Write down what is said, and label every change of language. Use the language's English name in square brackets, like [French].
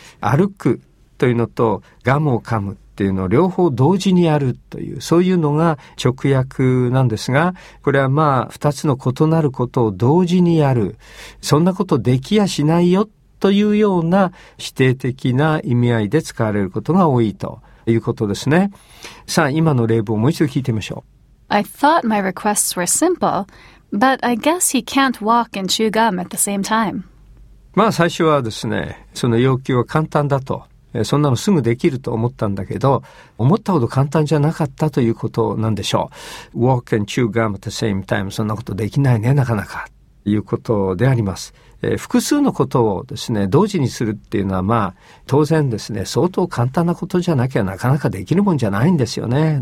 [Japanese] 歩くというのとガムを噛むっていうのを両方同時にやるという、そういうのが直訳なんですが、これはまあ2つの異なることを同時にやる、そんなことできやしないよというような否定的な意味合いで使われることが多いということですね。さあ今の例文をもう一度聞いてみましょう。 [English] I thought my requests were simple, but I guess he can't walk and chew gum at the same time. [Japanese] まあ最初はですね、その要求は簡単だと、そんなのすぐできると思ったんだけど、思ったほど簡単じゃなかったということなんでしょう。 [English] Walk and chew gum at the same time、 [Japanese] そんなことできないね、なかなかということであります。複数のことをですね、同時にするっていうのはまあ当然ですね、相当簡単なことじゃなきゃなかなかできるもんじゃないんですよね。